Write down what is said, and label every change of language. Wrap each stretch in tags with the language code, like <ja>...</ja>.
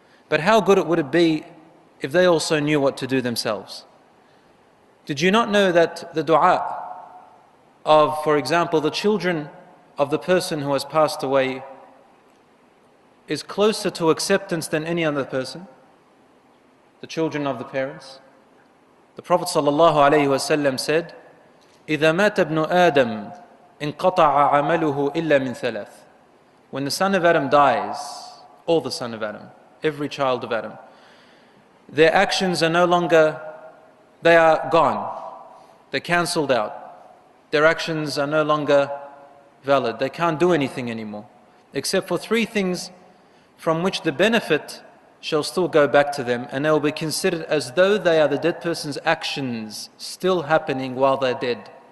<en>But how good would it be if they also knew what to do themselves? Did you not know that the dua of, for example, the children of the person who has passed away is closer to acceptance than any other person? The children of the parents. The Prophet sallallahu alayhi wasallam said,</en> <ar>إِذَا مَاتَ ابْنُ آدَمٍ انْقَطَعَ عَمَلُهُ إِلَّا مِنْ ثَلَاثٍ.</ar> <en>When the son of Adam dies, all the son of Adam, every child of Adam, their actions are no longer, they are gone. They're cancelled out. Their actions are no longer valid. They can't do anything anymore. Except for three things from which the benefit shall still go back to them, and they will be considered as though they are the dead person's actions still happening while they're dead.</en>